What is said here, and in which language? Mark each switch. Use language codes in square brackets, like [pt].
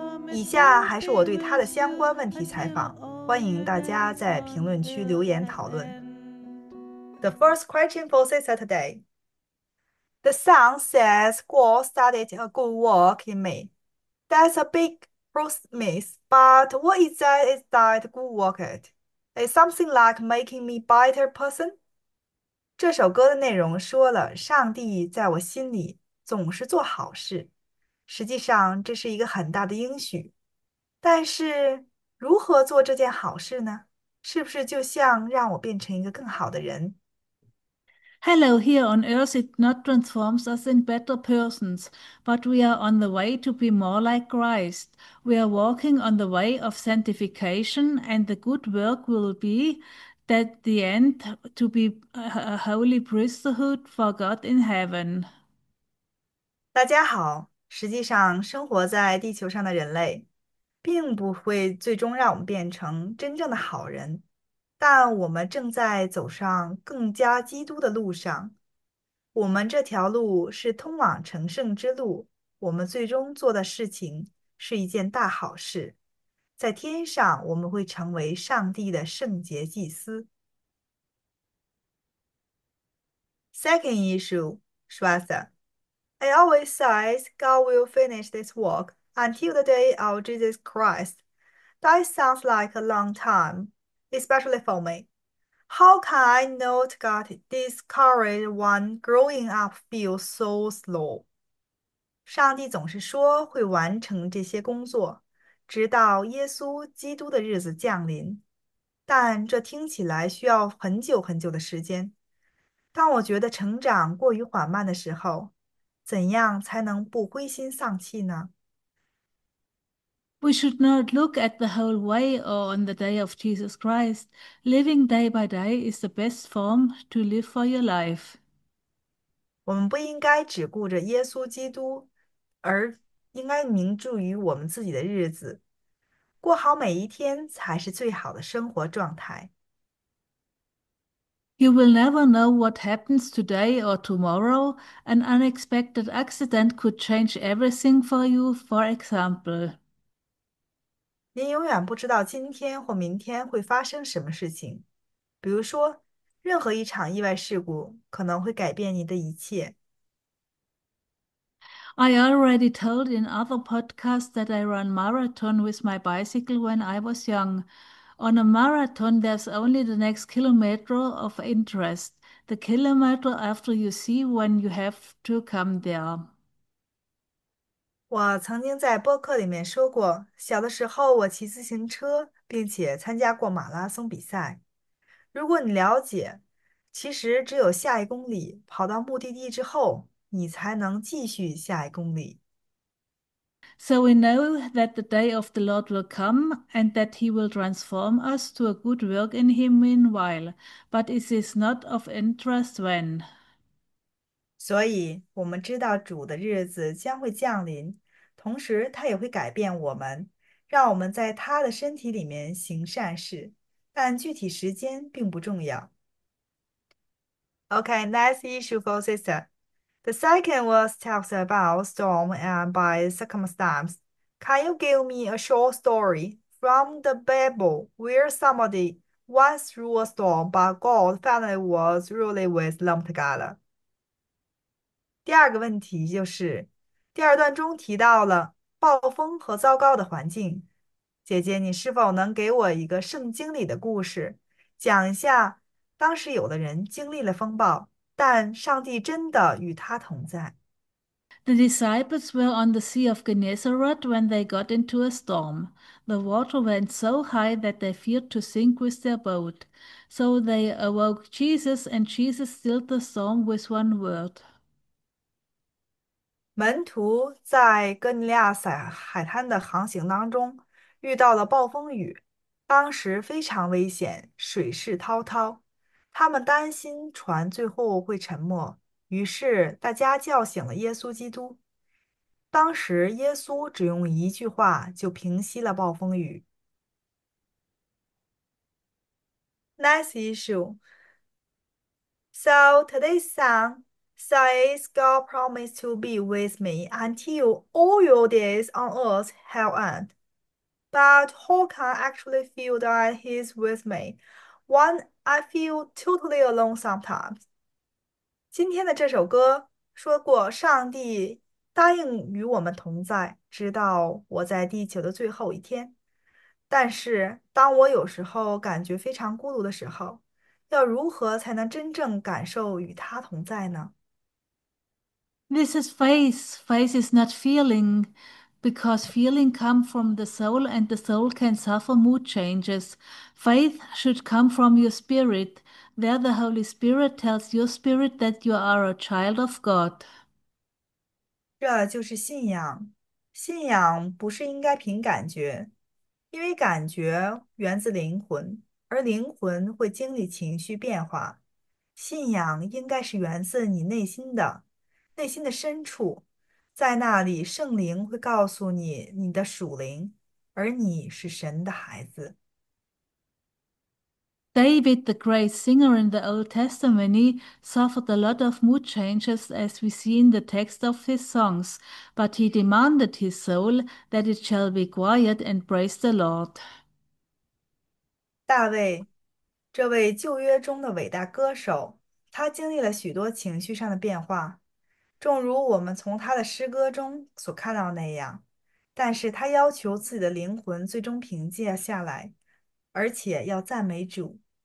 [zh] 以下还是我对他的相关问题采访，欢迎大家在评论区留言讨论。 [en] The first question for Sister today. The song says God started a good work in me. That's a big promise, but what is that? Is that good work? Is something like making me better person? [zh] 这首歌的内容说了，上帝在我心里总是做好事。实际上这是一个很大的应许，但是如何做这件好事呢？是不是就像让我变成一个更好的人？ [en] Hello, here on earth it not transforms us in better persons, but we are on the way to be more like Christ. We are walking on the way of sanctification, and the good work will be that the end to be a holy priesthood for God in heaven. [zh] 大家好。实际上，生活在地球上的人类，并不会最终让我们变成真正的好人，但我们正在走上更加基督的路上。我们这条路是通往成圣之路，我们最终做的事情是一件大好事。在天上，我们会成为上帝的圣洁祭司。 [en] Second issue, Schwester. I always say God will finish this work until the day of Jesus Christ. That sounds like a long time, especially for me. How can I not get discouraged when growing up feels so slow? [zh] 上帝总是说会完成这些工作，直到耶稣基督的日子降临。但这听起来需要很久很久的时间。当我觉得成长过于缓慢的时候，怎样才能不灰心丧气呢？ [en] We should not look at the whole way or on the day of Jesus Christ. Living day by day is the best form to live for your life. [zh] 我们不应该只顾着耶稣基督，而应该凝注于我们自己的日子，过好每一天才是最好的生活状态。 [en] You will never know what happens today or tomorrow. An unexpected accident could change everything for you, for example. [zh] 您永远不知道今天或明天会发生什么事情，比如说，任何一场意外事故可能会改变你的一切。 [en] I already told in other podcasts that I run marathon with my bicycle when I was young. On a marathon, there's only the next kilometer of interest, the kilometer after you see when you have to come there. [zh] 我曾经在播客里面说过，小的时候我骑自行车，并且参加过马拉松比赛。如果你了解，其实只有下一公里跑到目的地之后，你才能继续下一公里。 [en] So we know that the day of the Lord will come and that he will transform us to a good work in him meanwhile, but is this not of interest when? [zh] 所以，我们知道主的日子将会降临，同时他也会改变我们，让我们在他的身体里面行善事，但具体时间并不重要。 [en] Okay, next issue for sister. The second was talks about storm and by circumstance. Can you give me a short story from the Bible where somebody went through a storm, but God finally was really with them together? [zh] 第二个问题就是，第二段中提到了暴风和糟糕的环境。姐姐，你是否能给我一个圣经里的故事，讲一下当时有的人经历了风暴，但上帝真的与他同在？ [en] The disciples were on the Sea of Gennesaret when they got into a storm. The water went so high that they feared to sink with their boat. So they awoke Jesus, and Jesus stilled the storm with one word. [zh] 门徒在哥尼利亚海滩的航行当中遇到了暴风雨，当时非常危险，水势滔滔，他们担心船最后会沉没，于是大家叫醒了耶稣基督。当时耶稣只用一句话就平息了暴风雨。 [en] Next issue. So today's song says God promised to be with me until all your days on earth have ended. But Håkan actually feel that he's with me when I feel totally alone sometimes. [zh] 今天的这首歌说过，上帝答应与我们同在，直到我在地球的最后一天。但是，当我有时候感觉非常孤独的时候，要如何才能真正感受与他同在呢？ [en] This is faith. Faith is not feeling, because feeling come from the soul and the soul can suffer mood changes. Faith should come from your spirit, where the Holy Spirit tells your spirit that you are a child of God. [zh] 这就是信仰，信仰不是应该凭感觉，因为感觉源自灵魂，而灵魂会经历情绪变化。信仰应该是源自你内心的深处，在那里圣灵会告诉你你的属灵，而你是神的孩子。 [en] David, the great singer in the Old Testament, suffered a lot of mood changes as we see in the text of his songs, but he demanded his soul that it shall be quiet and praise the Lord. [zh] 大卫，这位旧约中的伟大歌手，他经历了许多情绪上的变化，正如我们从他的诗歌中所看到那样。但是他要求自己的灵魂最终平静下来，而且要赞美主。